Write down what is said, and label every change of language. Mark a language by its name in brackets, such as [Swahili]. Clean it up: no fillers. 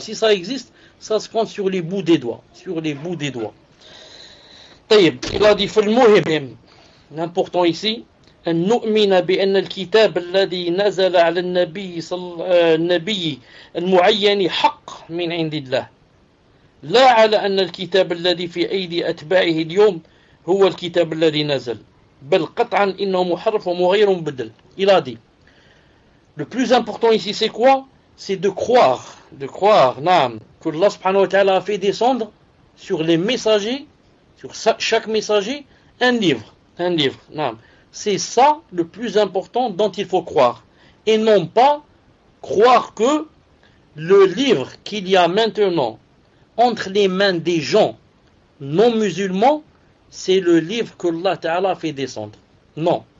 [French] Si ça existe, ça se compte sur les bouts des doigts. Sur les bouts des doigts. Il a dit, faut le mot. L'important ici, [Arabic] نؤمن بأن الكتاب الذي نزل على النبي النبي المعين حق من عند الله، لا على أن الكتاب الذي في أيدي أتباعه اليوم هو الكتاب الذي نزل، بل قطعا إنه محرف ومغير مبدل. [French] Il a dit. Le plus important ici, c'est quoi? C'est de croire, نعم, que Allah [Arabic] سبحانه وتعالى [French] a fait descendre sur les messagers, sur chaque messager, un livre. Un livre, نعم. C'est ça le plus important dont il faut croire. Et non pas croire que le livre qu'il y a maintenant entre les mains des gens non musulmans, c'est le livre que Allah Ta'ala a fait descendre. Non.